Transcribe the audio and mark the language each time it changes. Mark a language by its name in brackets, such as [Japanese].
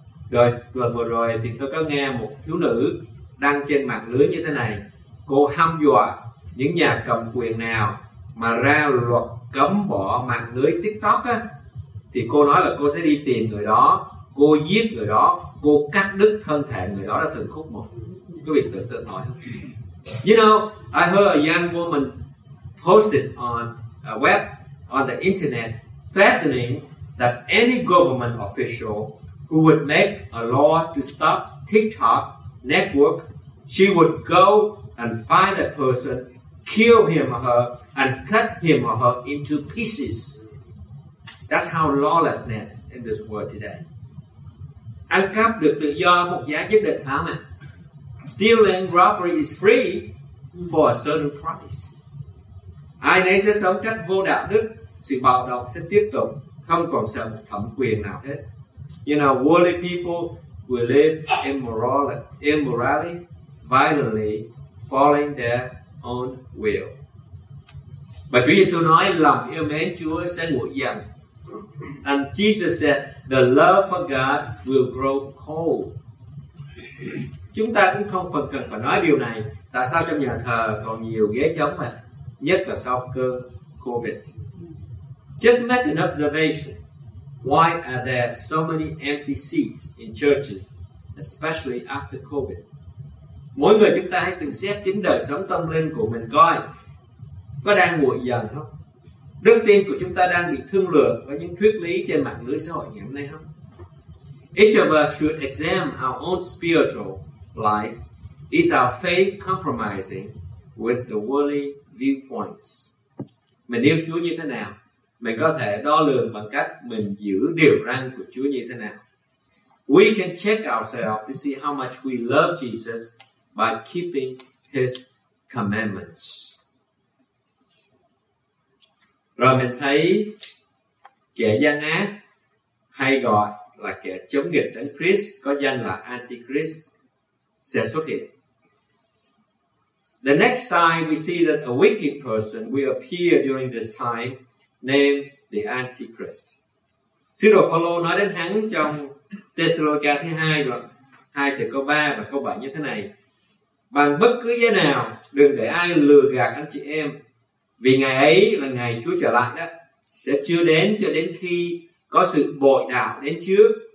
[Vietnamese] Rồi tuần vừa rồi thì tôi có nghe một thiếu nữ đăng trên mạng lưới như thế này. Cô hăm dọa những nhà cầm quyền nào mà ra luật cấm bỏ mạng lưới TikTok á, thì cô nói là cô sẽ đi tìm người đó, cô giết người đó, cô cắt đứt thân thể người đó đã từng khúc một. Quý vị tưởng tượng nổi không? [English] You know, I heard a young woman posted on a web, on the internet, threatening that any government official who would make a law to stop TikTok network, she would go and find that person, kill him or her, and cut him or her into pieces. That's how lawlessness in this world today. [Vietnamese] Ăn cắp được tự do một giá nhất định, phải không? [English] Stealing, robbery is free for a certain price. [Vietnamese] Ai nấy sẽ sống cách vô đạo đức, sự bạo động sẽ tiếp tục, không còn sợ thẩm quyền nào hết. [English] You know, worldly people will live immorally, violently, following their own will. [Vietnamese] Và Chúa Giêsu nói lòng yêu mến Chúa sẽ nguội dần. [English] And Jesus said, the love for God will grow cold. [Vietnamese] chúng ta cũng không phần cần phải nói điều này. Tại sao trong nhà thờ còn nhiều ghế trống mà, nhất là sau cơn COVID? [English] Just make an observation. Why are there so many empty seats in churches, especially after COVID? [Vietnamese] Mỗi người chúng ta hãy tự xét chính đời sống tâm linh của mình coi có đang nguội dần không? Đức tin của chúng ta đang bị thương lượng với những thuyết lý trên mạng lưới xã hội ngày hôm nay không? [English] Each of us should examine our own spiritual life. Is our faith compromising with the worldly viewpoints? [Vietnamese] Mình yêu Chúa như thế nào? Mình có thể đo lường bằng cách mình giữ điều răn của Chúa như thế nào? [English] We can check ourselves to see how much we love Jesus by keeping his commandments. [Vietnamese] Rồi mình thấy kẻ gian ác hay gọi là kẻ chống nghịch Đấng Christ, có danh là Antichrist, sẽ xuất hiện. [English] The next sign we see that a wicked person will appear during this time, named the Antichrist. [Vietnamese] Sứ đồ Phaolô nói đến hắn trong Tê-sa-lô-ca thứ 2 đoạn 2 từ câu 3 và câu 7 như thế này: bằng bất cứ giá nào, đừng để ai lừa gạt anh chị em, vì ngày ấy là ngày Chúa trở lại đó, sẽ chưa đến cho đến khi có sự bội đạo đến trước.